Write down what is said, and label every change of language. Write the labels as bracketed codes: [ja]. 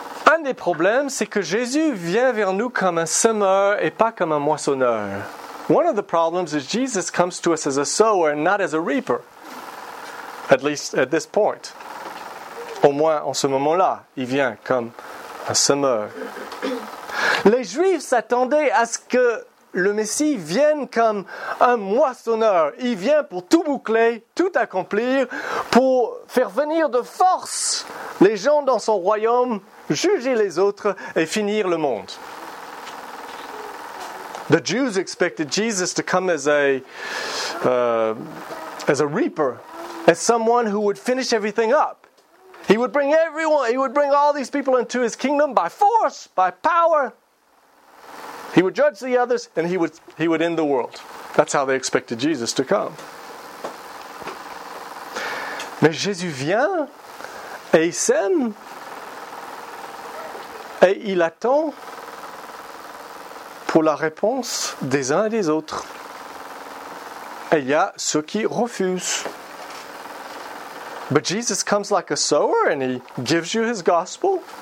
[fr] Un des problèmes, c'est que Jésus vient vers nous comme un semeur et pas comme un moissonneur. [en] One of the problems is Jesus comes to us as a sower and not as a reaper. At least at this point. [fr] Au moins en ce moment-là, il vient comme un semeur. Les Juifs s'attendaient à ce que le Messie vient comme un moissonneur. Il vient pour tout boucler, tout accomplir, pour faire venir de force les gens dans son royaume, juger les autres et finir le monde. [en] The Jews expected Jesus to come as a reaper, as someone who would finish everything up. He would bring everyone, he would bring all these people into his kingdom by force, by power. He would judge the others and he would end the world. That's how they expected Jesus to come. [fr] Mais Jésus vient et il sème et il attend pour la réponse des uns et des autres. Et il y a ceux qui refusent. [en] But Jesus comes like a sower and he gives you his gospel.